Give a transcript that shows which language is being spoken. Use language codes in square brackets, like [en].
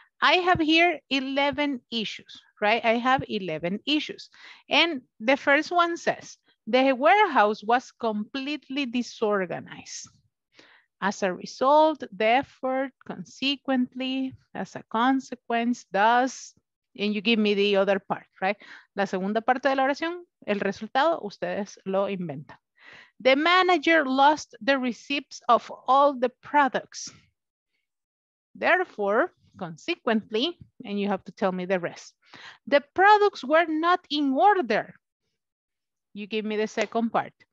[en] I have here 11 issues. Right, I have 11 issues. And the first one says, the warehouse was completely disorganized. As a result, the effort, consequently, as a consequence, thus, and you give me the other part, right? [es] La segunda parte de la oración, el resultado, ustedes lo inventan. [en] The manager lost the receipts of all the products. Therefore, consequently, and you have to tell me the rest. The products were not in order. You give me the second part.